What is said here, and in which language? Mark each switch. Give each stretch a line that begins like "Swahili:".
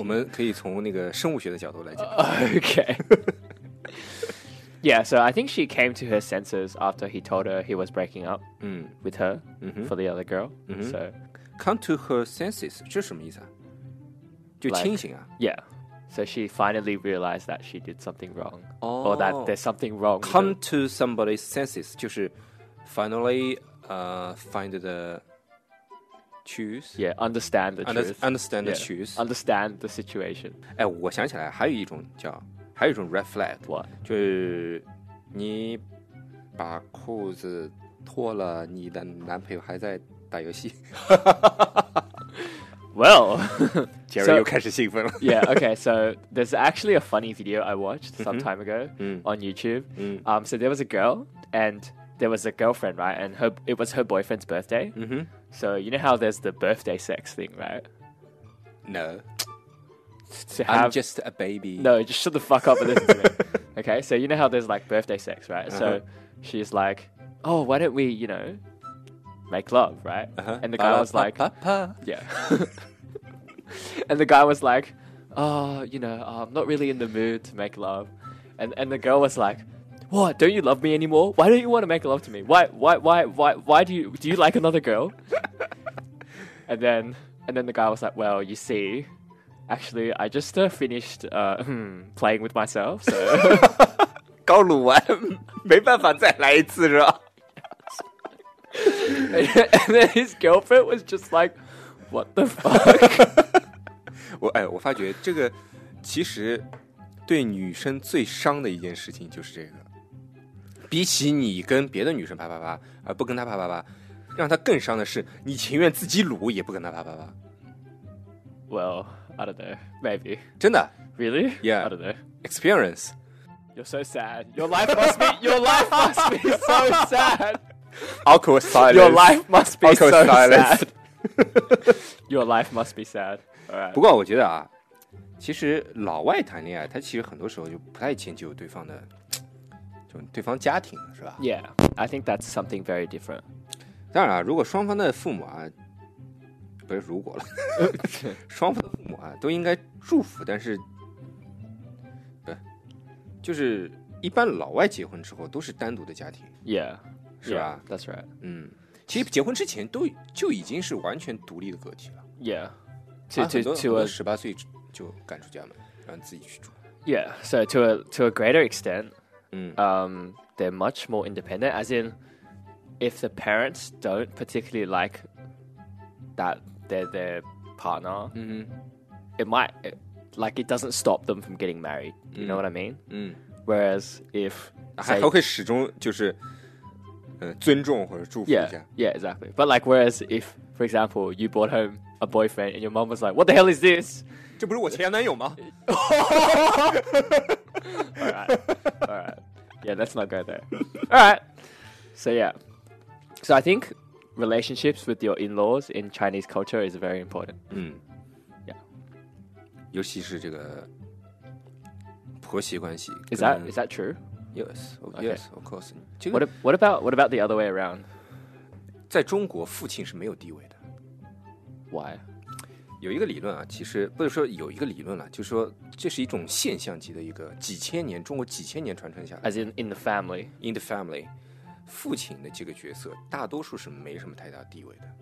Chinese: 我们可以从那个生物学的角度来讲。
English: Okay. Yeah, so I think she came to her senses after he told her he was breaking up、mm. with her、mm-hmm. for the other girl.、Mm-hmm. So, come to her senses,
Chinese: 这什么意思啊？就清醒啊。
English: Like, yeah. So she finally realized that she did something wrong、oh. or that there's something wrong. Come to somebody's senses,
Chinese: 就是
English: finally、find the... Choose. Yeah, understand the truth. Understand the truth. Yeah, understand the situation.
Chinese: 哎，我想起来，还有一种 red flag.
English: What?
Chinese: 就是你把裤子脱了，你的男朋友还在打游戏。
English: Well,
Chinese: Jerry 又开始兴奋了。
English: Yeah. Okay. So there's actually a funny video I watched some time ago on YouTube. So there was a girl and there was a girlfriend, right? And it was her boyfriend's birthday. So, you know how there's the birthday sex thing, right? No. I'm just a baby. No, just shut the fuck up and listen to me. Okay, so you know how there's like birthday sex, right? Uh-huh. So, she's like, oh, why don't we, you know, make love, right? Uh-huh. And the guy was like, yeah. And the guy was like, oh, you know, I'm not really in the mood to make love. And the girl was like,What? Don't you love me anymore? Why don't you want to make love to me? Why do you like another girl? And then the guy was like, well, you see, actually, I just finished playing with myself, so...
Chinese: 刚撸完，没办法再来一次是吧？
English: And then his girlfriend was just like, what the fuck?
Chinese: 我发觉这个其实对女生最伤的一件事情就是这个。比起你跟别的女生啪啪啪而不跟她啪啪啪让她更伤的是你情愿自己撸也不跟她啪啪啪
English: Well, I don't know, maybe
Chinese: 真的
English: Really? Yeah, I don't know Experience You're so sad Your life must be so sad Awkward silence Your life must be so sad Your life must be sad、right.
Chinese: 不过我觉得啊其实老外谈恋爱他其实很多时候就不太迁就对方的对方家庭是吧
English: Yeah, I think that's something very different.
Chinese: 当然、啊、如果双方的父母啊不是如果了双方的父母啊都应该祝福但是不就是一般老外结婚之后都是单独的家庭
English: Yeah,
Chinese: 是吧
English: yeah, That's right.
Chinese: 其实结婚之前都就已经是完全独立的个体了
English: Yeah,
Chinese: 很多18岁就赶出家门让自己去住
English: Yeah, so to a greater extentthey're much more independent as in if the parents don't particularly like that they're their partner、mm-hmm. it might like it doesn't stop them from getting married. You know what I mean? Mm. Whereas if
Chinese: say, 还会始终就是尊重或者祝福一下
English: yeah, exactly. But like whereas if, for example, you brought home a boyfriend and your mom was like, what the hell is this?
Chinese: 这不是我前男友吗?
English: Alright. Yeah, let's not go there. Alright. So yeah. So I think relationships with your in-laws in Chinese culture is very important. Mm. Yeah. 尤其是这个婆媳关系。 Is that true? Yes, yes, of course. What about the other way around?
Chinese: 在中国，父亲是没有地位的。
English: Why?
Chinese: 有一个理论啊，其实不是说有一个理论了，就是说这是一种现象级的一个几千年中国几千年传承下来。
English: As in the family, in the family,
Chinese: 父亲的这个角色大多数是没什么太大地位的。